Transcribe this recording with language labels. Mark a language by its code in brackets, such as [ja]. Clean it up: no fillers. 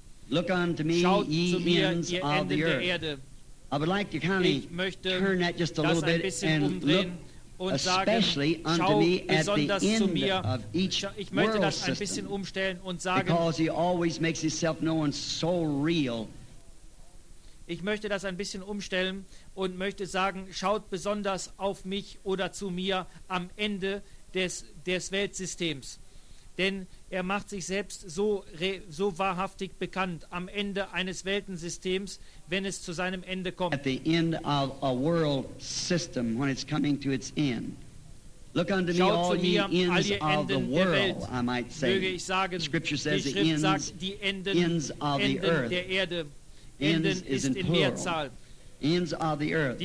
[en] Look unto me, ye ends of the earth. I would like to kind of turn that just a little bit and look especially unto me at the end of each world system, because he always makes himself known so real. [de] Ich möchte das ein bisschen umstellen und möchte sagen, schaut besonders auf mich oder zu mir am Ende des Weltsystems. Denn er macht sich selbst so wahrhaftig bekannt am Ende eines Weltensystems, wenn es zu seinem Ende kommt. [en] At the end of a world system, when it's coming to its end. Look unto me, all ye ends of the world, I might say. Scripture says the ends of the earth. [de] Enden [en] is in plural. Ends of the earth.